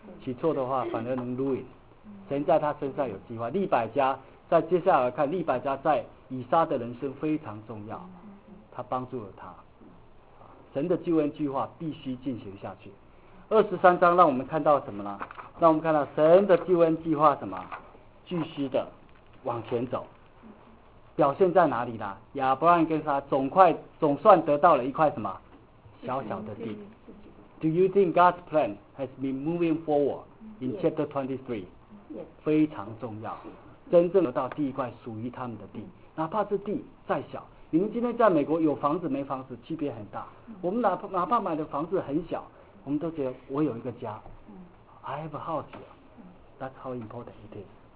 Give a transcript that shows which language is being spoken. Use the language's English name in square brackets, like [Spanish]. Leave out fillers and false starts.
[Chinese] 娶错的话反而能 ruin。神在他身上有计划，利百家在接下来看，利百家在以撒的人生非常重要，他帮助了他，神的救恩计划必须进行下去。二十三章让我们看到什么呢？让我们看到神的救恩计划什么继续的往前走，表现在哪里呢？亚伯兰跟他总算得到了一块什么小小的地。 [English] Do you think God's plan has been moving forward in chapter 23? Yes. [Chinese] 非常重要，真正得到第一块属于他们的地，哪怕是地再小。你们今天在美国有房子没房子区别很大，我们哪怕买的房子很小，我们都觉得我有一个家。 [English] I have a house here. That's how important it is.